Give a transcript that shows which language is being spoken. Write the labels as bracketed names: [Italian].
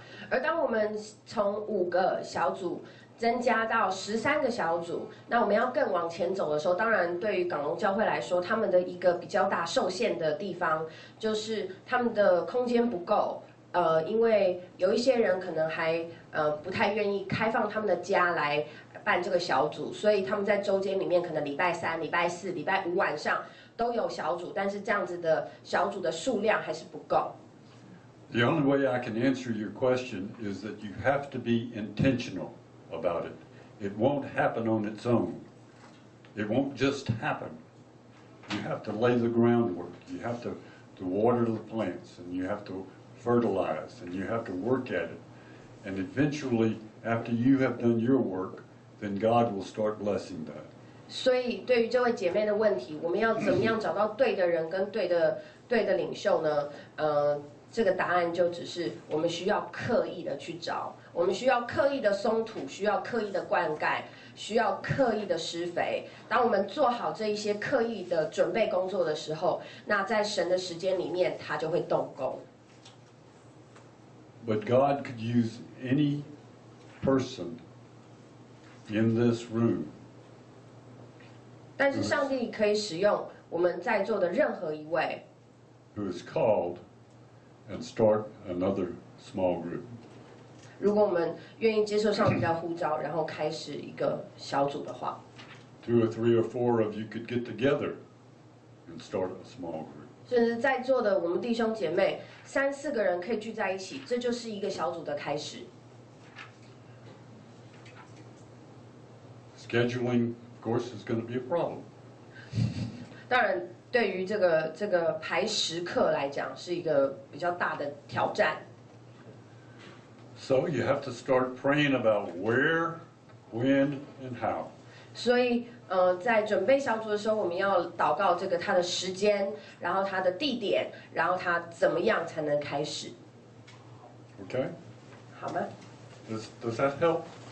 [Chinese] 而当我们从五个小组增加到十三个小组，那我们要更往前走的时候，当然对于港龙教会来说，他们的一个比较大受限的地方就是他们的空间不够，因为有一些人可能还不太愿意开放他们的家来办这个小组，所以他们在周间里面可能礼拜三、礼拜四、礼拜五晚上都有小组，但是这样子的小组的数量还是不够。 [English] The only way I can answer your question is that you have to be intentional about it. It won't happen on its own. It won't just happen. You have to lay the groundwork. You have to water the plants, and you have to fertilize, and you have to work at it. And eventually, after you have done your work, then God will start blessing that. [Chinese] 所以对于这位姐妹的问题，我们要怎么样找到对的人跟对的领袖呢？这个答案就只是我们需要刻意的去找，我们需要刻意的松土，需要刻意的灌溉，需要刻意的施肥。当我们做好这一些刻意的准备工作的时候，那在神的时间里面，他就会动工。 [English] But God could use any person in this room. [Chinese] 但是上帝可以使用我们在座的任何一位。 [English] Who is called and start another small group. [Chinese] 如果我们愿意接受上帝的呼召，然后开始一个小组的话。 [English] Two or three or four of you could get together and start a small group. [Chinese] 甚至在座的我们弟兄姐妹，三四个人可以聚在一起，这就是一个小组的开始。 [English] Scheduling, of course, is going to be a problem. [Chinese] 当然对于这个排时刻来讲是一个比较大的挑战。 [English] So you have to start praying about where, when, and how. [Chinese] 所以在准备小组的时候，我们要祷告这个它的时间，然后它的地点，然后它怎么样才能开始。 [English] Okay. [Chinese] 好吗？ [English] Does that help?